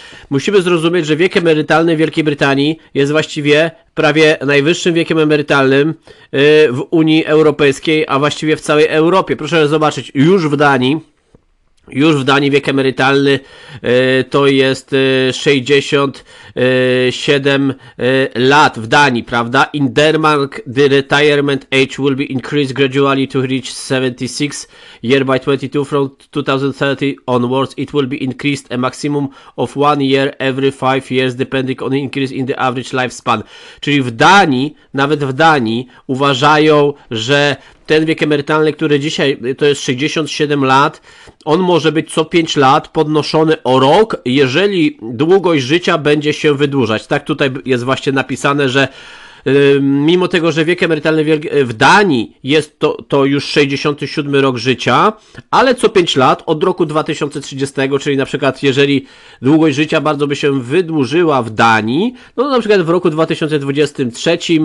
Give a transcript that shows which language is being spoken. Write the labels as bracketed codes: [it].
[pl] Musimy zrozumieć, że wiek emerytalny w Wielkiej Brytanii jest właściwie prawie najwyższym wiekiem emerytalnym w Unii Europejskiej, a właściwie w całej Europie. Proszę zobaczyć, już w Danii wiek emerytalny to jest 67 lat w Danii, prawda? [en] In Denmark the retirement age will be increased gradually to reach 76 year by 22 from 2030 onwards. It will be increased a maximum of 1 year every 5 years depending on increase in the average lifespan. [pl] Czyli w Danii, nawet w Danii uważają, że ten wiek emerytalny, który dzisiaj to jest 67 lat, on może być co 5 lat podnoszony o rok, jeżeli długość życia będzie się wydłużać. Tak tutaj jest właśnie napisane, że mimo tego, że wiek emerytalny w Danii jest to już 67 rok życia, ale co 5 lat od roku 2030, czyli na przykład jeżeli długość życia bardzo by się wydłużyła w Danii, no na przykład w roku 2033